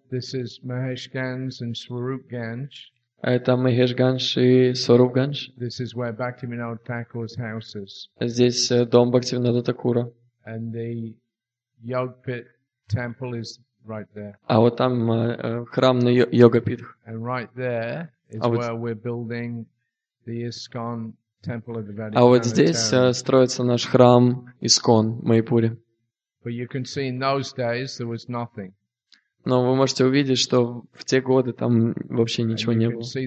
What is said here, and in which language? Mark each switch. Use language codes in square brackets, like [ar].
[en] This is Mahesh Ganges and Swarup Ganges. [ru] Это Махеш Ганж и Сваруп Ганж. [en] This is where Bhaktivinoda Thakur's house is. [ru] Здесь дом Бхактивинода Такура. [en] And the Yogpit temple is right there. [ru] А вот там храм на Йогапитх. [en] And right there is where we're building the ISKCON temple of the Vedic. [ru] А вот здесь строится наш храм ИСКОН в Майпуре. [en] But you can see in those days there was nothing. [ru] Но вы можете увидеть, что в те годы там вообще ничего не было.